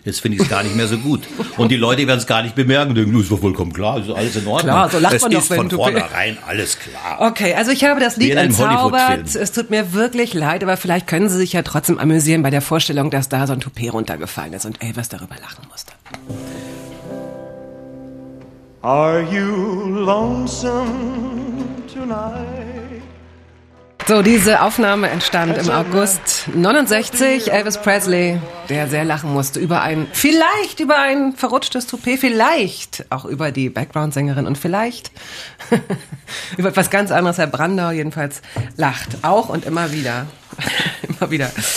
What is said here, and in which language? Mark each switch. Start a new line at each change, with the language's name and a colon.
German: Jetzt finde ich es gar nicht mehr so gut. Und die Leute werden es gar nicht bemerken. Denken, ist doch vollkommen klar. Ist alles in Ordnung. Klar, so lacht es man doch, wenn von vornherein alles klar. Okay, also ich habe das Lied entzaubert. Es tut mir wirklich leid, aber vielleicht können Sie sich ja trotzdem zum Amüsieren bei der Vorstellung, dass da so ein Toupet runtergefallen ist und Elvis darüber lachen musste.
English: Are you lonesome tonight?
German: So, diese Aufnahme entstand im August 69. Elvis Presley, der sehr lachen musste über ein, vielleicht über ein verrutschtes Toupet, vielleicht auch über die Background-Sängerin und vielleicht über etwas ganz anderes. Herr Brandau jedenfalls lacht auch und immer wieder. Immer wieder.